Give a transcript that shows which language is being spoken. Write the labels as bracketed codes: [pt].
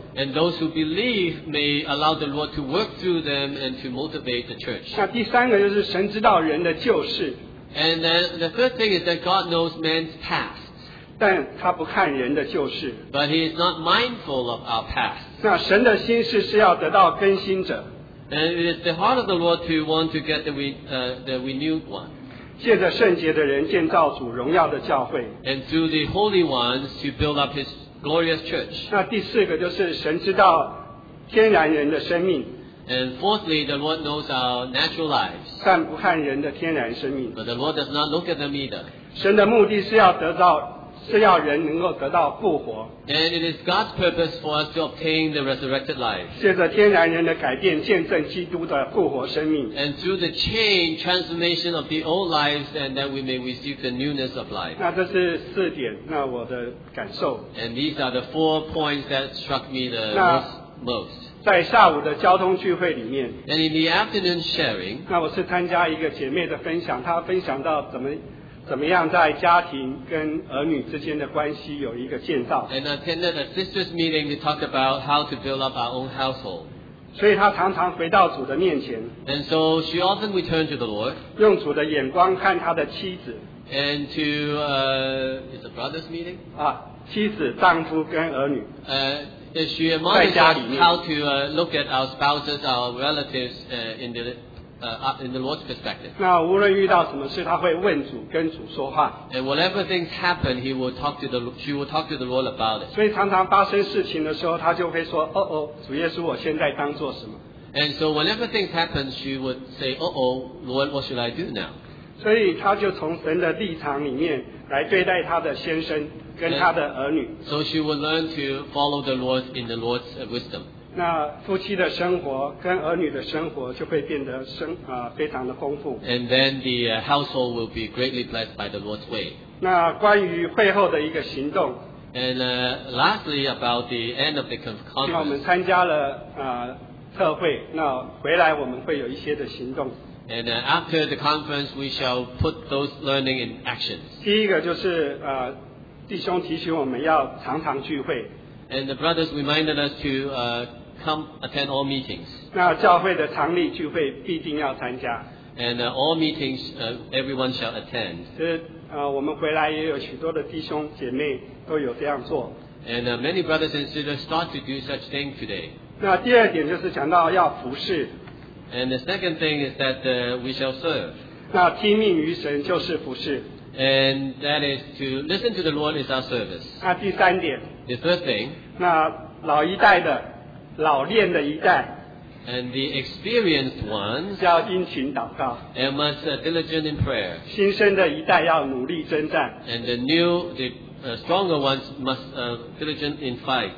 [en] and those who believe may allow the Lord to work through them and to motivate the church. [zh] 那第三个就是神知道人的旧事, [en] and the third thing is that God knows man's past, but he is not mindful of our past. And it is the heart of the Lord to want to get the renewed one, [zh] 借着圣洁的人建造主荣耀的教会, [en] and through the holy ones to build up his glorious church. [zh] 那第四个就是神知道天然人的生命, [en] and fourthly, the Lord knows our natural lives, [zh] 但不看人的天然生命, [en] but the Lord does not look at them either. [zh] 神的目的是要得到是要人能够得到复活。 [en] And it is God's purpose for us to obtain the resurrected life. [zh] 借着天然人的改变，见证基督的复活生命。 [en] And through the change, transformation of the old lives, and that we may receive the newness of life. [zh] 那这是四点，那我的感受。 [en] And these are the four points that struck me the most. [zh] 在下午的交通聚会里面 [en] And in the afternoon sharing, [zh] 那我是参加一个姐妹的分享她分享到怎么样在家庭跟儿女之间的关系有一个建造 [en] And attended a sister's meeting to talk about how to build up our own household [zh] 所以她常常回到主的面前 [en] And so she often returned to the Lord [zh] 用主的眼光看她的妻子 [en] And to is a brother's meeting? [zh] 妻子丈夫跟儿女 [en] She admonished us how to look at our spouses, our relatives in the Lord's perspective. [zh] 那无论遇到什么事，他会问主，跟主说话。 [en] And whatever things happen, he will talk to the she will talk to the Lord about it. [zh] 所以常常发生事情的时候，他就会说：“哦哦，主耶稣，我现在当做什么？” [en] And so whenever things happen, she would say, "Oh oh, Lord, what should I do now?" [zh] 所以他就从神的立场里面来对待他的先生。跟他的儿女 [en] so she would learn to follow the Lord in the Lord's wisdom [zh] 那夫妻的生活跟儿女的生活就会变得非常的丰富 [en] and then the household will be greatly blessed by the Lord's way [zh] 那关于会后的一个行动 [en] and lastly about the end of the conference [zh] 那我们参加了特会那回来我们会有一些的行动 [en] and after the conference we shall put those learning in action [zh] 第一个就是弟兄提醒我们要常常聚会。 [en] And the brothers reminded us to come attend all meetings. [zh] 那教会的常例聚会必定要参加。 [en] And all meetings everyone shall attend. [zh] 我们回来也有许多的弟兄姐妹都有这样做。 [en] And many brothers and sisters start to do such things today. [zh] 那第二点就是讲到要服事。 [en] And the second thing is that we shall serve. [zh] 那听命于神就是服事。 [en] And that is to listen to the Lord is our service. [zh] 那第三点 [en] The third thing. [zh] 那老一代的老练的一代 [en] And the experienced ones. [zh] 要殷勤祷告 [en] And must diligent in prayer. [zh] 新生的一代要努力征战 [en] And the stronger ones must diligent in fight.